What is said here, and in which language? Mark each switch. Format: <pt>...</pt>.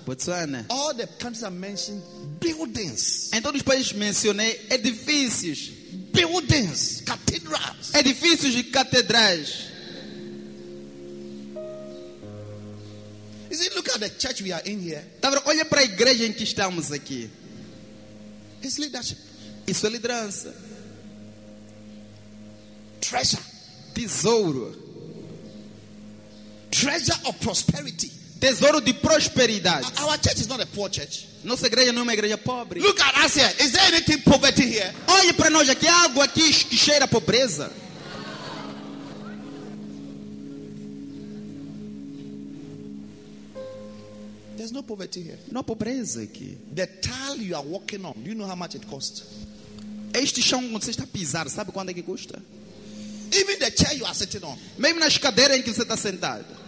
<en>Botswana. All the countries I mentioned, buildings.</en> <pt>Em todos os países mencionei, edifícios.</pt> <en>Buildings. Cathedrals.</en> <pt>Edifícios e catedrais.</pt> <en>You see, look at the church we are in here.</en> <pt>Tá vendo? Olha para a igreja em que estamos aqui.</pt> <en>It's leadership.</en> <pt>Isso é liderança.</pt> <en>Treasure.</en> <pt>Tesouro.</pt> <en>Treasure of prosperity.</en> <pt>Tesouro de prosperidade.</pt> <en>Our church is not a poor church.</en> <pt>Nossa igreja não é uma igreja pobre.</pt> <en>Look at us here. Is there anything poverty here?</en> <pt>Olhe para nós aqui. Há algo aqui que cheira a pobreza.</pt> <en>There's no poverty here.</en> <pt>Não há pobreza aqui.</pt> <en>The tile you are walking on, do you know how much it costs?</en> <pt>Este chão onde você está a pisar, sabe quanto é que custa?</pt> <en>Even the chair you are sitting on.</en> <pt>Mesmo nas cadeiras em que você está sentado.</pt>